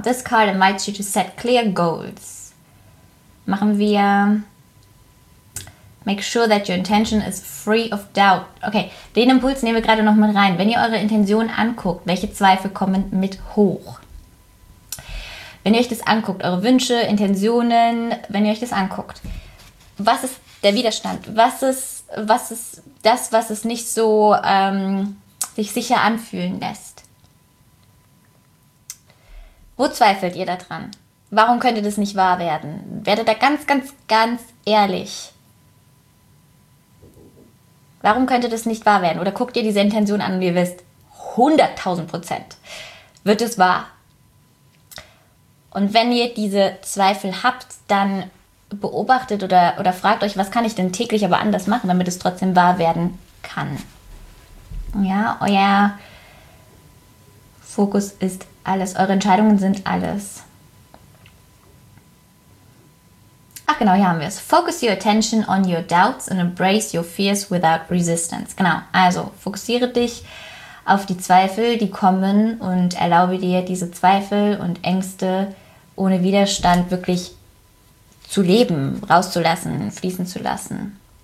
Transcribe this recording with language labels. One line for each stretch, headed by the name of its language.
English: This card invites you to set clear goals.
German: Machen wir,
English: make sure that your intention is free of doubt.
German: Okay, den Impuls nehmen wir gerade noch mal rein. Wenn ihr eure Intention anguckt, welche Zweifel kommen mit hoch? Wenn ihr euch das anguckt, eure Wünsche, Intentionen, wenn ihr euch das anguckt, was ist der Widerstand? Was ist das, was es nicht so sich sicher anfühlen lässt? Wo zweifelt ihr daran? Warum könnte das nicht wahr werden? Werdet da ganz, ganz, ganz ehrlich. Warum könnte das nicht wahr werden? Oder guckt ihr diese Intention an und ihr wisst, 100.000% wird es wahr. Und wenn ihr diese Zweifel habt, dann beobachtet oder fragt euch, was kann ich denn täglich aber anders machen, damit es trotzdem wahr werden kann. Ja, euer Fokus ist alles. Eure Entscheidungen sind alles. Ach genau, hier haben wir es.
English: Focus your attention on your doubts and embrace your fears without resistance.
German: Genau, also fokussiere dich auf die Zweifel, die kommen und erlaube dir, diese Zweifel und Ängste ohne Widerstand wirklich zu leben, rauszulassen, fließen zu lassen.